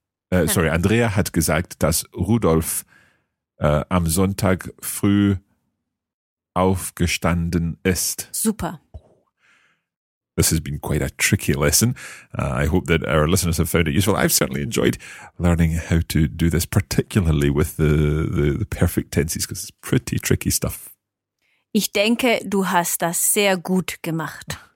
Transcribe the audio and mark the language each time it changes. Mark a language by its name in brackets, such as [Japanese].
[German] Andrea hat gesagt, dass Rudolf am Sonntag früh aufgestanden ist. Super. [English] This has been quite a tricky lesson. I hope that our listeners have found it useful. I've certainly enjoyed learning how to do this, particularly with the perfect tenses, because it's pretty tricky stuff. [German] Ich denke, du hast das sehr gut gemacht.